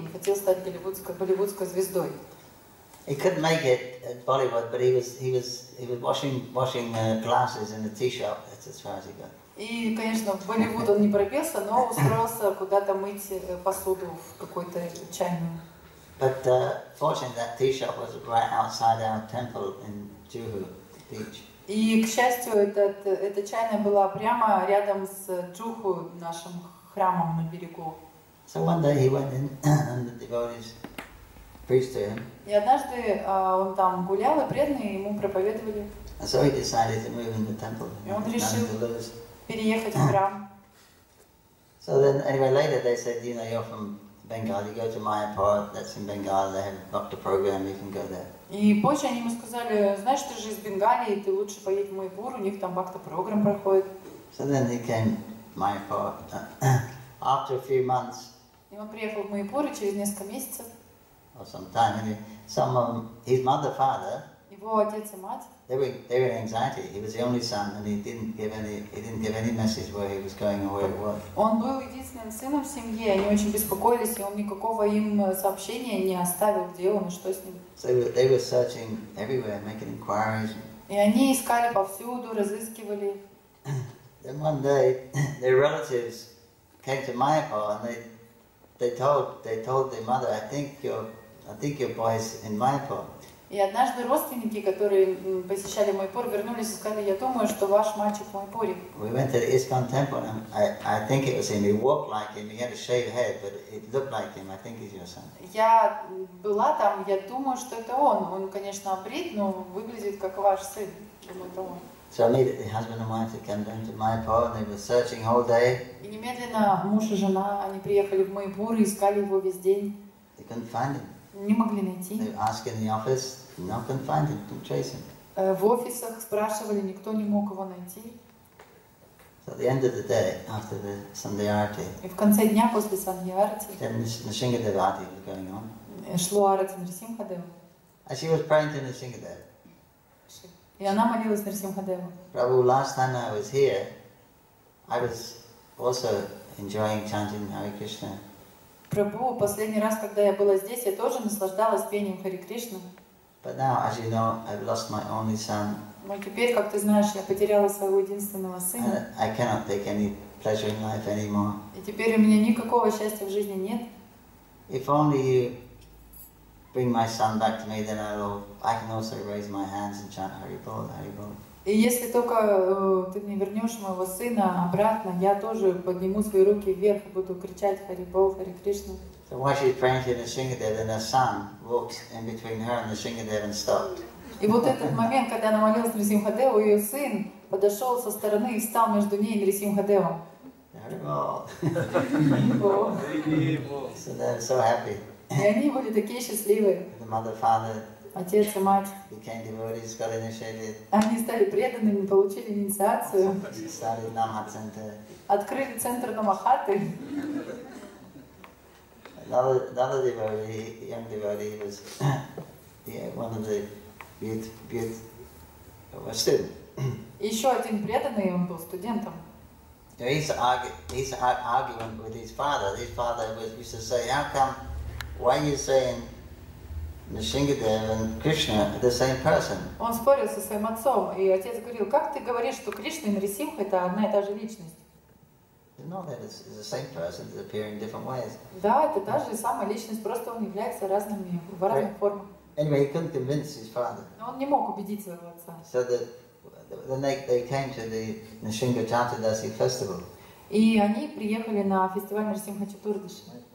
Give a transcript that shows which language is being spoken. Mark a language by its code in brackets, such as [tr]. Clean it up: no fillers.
[ru] Он хотел стать голливудской звездой. [en] He couldn't make it at Bollywood, but he was washing glasses in a tea shop. That's as far as he got. [ru] И, конечно, в Болливуд он не пробился, но устроился куда-то мыть посуду в какой-то чайную. [en] But fortunately, that tea shop was right outside our temple in Juhu Beach. [ru] И, к счастью, эта чайная была прямо рядом с Джуху, нашим храмом на берегу. [en] So one day he went in and the devotees preached to him. [ru] И однажды он там гулял, и преданные ему проповедовали. [en] And so he decided to move in the temple. [ru] И он решил переехать в храм. [en] So then, anyway, later they said, you know, you're from Bengal, you go to Mayapur, that's in Bengal, they have a doctor program, you can go there. [ru] И позже они ему сказали, знаешь, ты же из Бенгалии, ты лучше поедь в Майпур, у них там бактер программ проходит. [en] So then he came to Mayapur. After a few months. [ru] И он приехал в Майпур через несколько месяцев. [en] Or some time, anyway. Some of his mother, father. [ru] Его отец и мать. [en] They were in anxiety. He was the only son, and he didn't give any message where he was going or where he was. [ru] Он был единственным сыном в семье. Они очень беспокоились, и он никакого им сообщения не оставил, где он и что с ним. [en] So they were searching everywhere, making inquiries. [ru] И они искали повсюду, разыскивали. [en] Then one day, their relatives came to Mayapur, and they told their mother, I think your boy's in Mayapur. [ru] И однажды родственники, которые посещали Майпур, вернулись и сказали, я думаю, что ваш мальчик в Майпуре. [en] We went to the ISKCON temple, and I think it was him. He walked like him, he had a shaved head, but it looked like him. I think he's your son. [ru] Я была там, я думаю, что это он. Он, конечно, обрит, но выглядит как ваш сын. Думаю, [en] so immediately husband and wife came down to Майпур, and they were searching all day. [ru] И немедленно муж и жена, они приехали в Майпур и искали его весь день. [en] They couldn't find him. [ru] Не могли найти. [en] They ask in the office, no one can find him, don't trace him. [ru] В офисах спрашивали, никто не мог его найти. [en] So at the end of the day, after the Sunday arati. [ru] И в конце дня после [en] Sunday arati. Then Nrsimha Dev arati was going on. [ru] Шло арати Нрсимха Дева. [en] And she was praying to Nrsimha Dev. [ru] И она молилась Нрсимха Деву. [en] Prabhu, last time I was here, I was also enjoying chanting Hare Krishna. [ru] Прабху, последний раз, когда я была здесь, я тоже наслаждалась пением Хари Кришны. [en] But now, as you know, I've lost my only son. [ru] Но теперь, как ты знаешь, я потеряла своего единственного сына. [en] And I cannot take any pleasure in life anymore. [ru] И теперь у меня никакого счастья в жизни нет. [en] If only you bring my son back to me, then I can also raise my hands and chant Hari Bol, Hari Bol. [ru] И если только ты мне вернешь моего сына обратно, я тоже подниму свои руки вверх и буду кричать Хари Бол, Хари Кришна. [en] So while she's praying to Nrsimha Dev, then her son walked in between her and Nrsimha Dev and stopped. [ru] И вот этот момент, когда она молилась Нрсимха Деву, ее сын подошел со стороны и встал между ней и Нрсимха Девом. [en] So they're so happy. [ru] Они были такие счастливые. [en] The mother, father, [ru] отец и мать. [en] Became devotees, got initiated. [ru] Они стали преданными, получили инициацию. [en] Started Namaha Center. [ru] Открыли центр Намахаты. [en] Another devotee, young devotee, was one of the youth, was student. [ru] Еще один преданный, он был студентом. [en] He's arguing with his father. His father used to say, "How come? Why are you saying Нарсингхадев and Krishna are the same person?" [ru] Он спорил со своим отцом, и отец говорил, как ты говоришь, что Кришна и Нарсингх это одна и та же личность? [en] No, that is the same person, it's appearing in different ways. [ru] Да, это та же самая личность, просто он является разными в разных формах. [en] Anyway, he couldn't convince his father. [ru] Но он не мог убедить своего отца. [en] So they came to the Нарсингха Чатурдаси festival. [ru] И они приехали на фестиваль Нарсингха Чатурдаши.